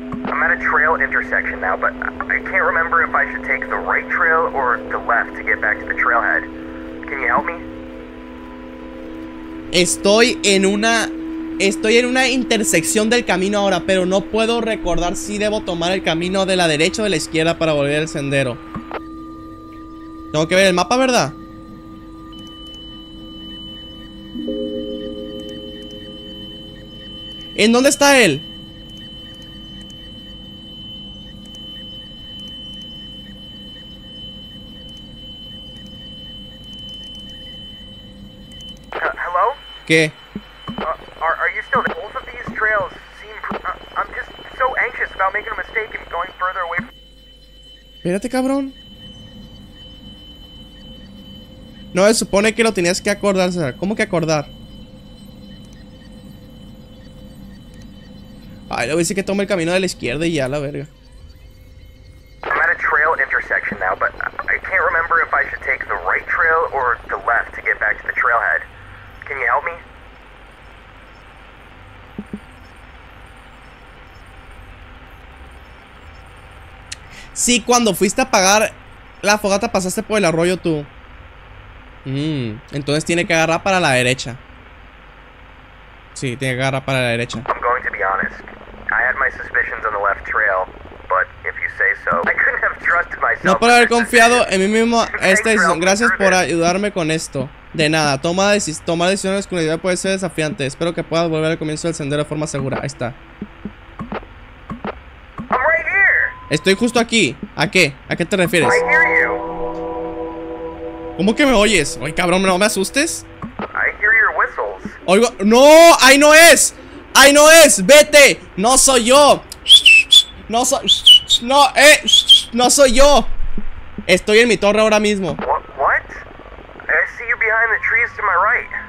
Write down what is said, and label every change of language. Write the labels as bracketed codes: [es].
[en] I'm at a trail intersection now, but I can't remember if I should take the right trail or the left to get back to the trailhead. Can you help me? [es] Estoy en una intersección del camino ahora, pero no puedo recordar si debo tomar el camino de la derecha o de la izquierda para volver al sendero. Tengo que ver el mapa, ¿verdad? ¿En dónde está él? [en] Hello? [es] ¿Qué? [en] Are you still there? Both of these trails seem I'm just so anxious about making a mistake and going further away. [es] Espérate, cabrón. No se supone que lo tenías que acordar, César. ¿Cómo que acordar? Ay, le voy a decir que tome el camino de la izquierda y ya, la verga. [en] I'm at a trail intersection now, but I can't remember if I should take the right trail or the left to get back to the trailhead. Can you help me? [es] Sí, cuando fuiste a apagar la fogata pasaste por el arroyo tú. Entonces tiene que agarrar para la derecha. Sí, tiene que agarrar para la derecha. [en] I'm going to be honest. I had my suspicions on the left trail, but if you say so, I couldn't have trusted myself. [es] No por haber confiado en mí mismo. Gracias por ayudarme con esto. De nada. Tomar decisiones con la idea puede ser desafiante. Espero que puedas volver al comienzo del sendero de forma segura. Ahí está. [en] I'm right here. [es] Estoy justo aquí. ¿A qué? ¿A qué te refieres? [en] I hear you. [es] ¿Cómo que me oyes? Oye, cabrón, no me asustes. [en] I hear your whistles. [es] Oigo. ¡No! ¡Ahí no es! ¡Ahí no es! ¡Vete! ¡No soy yo! ¡No soy! ¡No! ¡No soy yo! Estoy en mi torre ahora mismo. [en] What? I see you behind the trees to my right.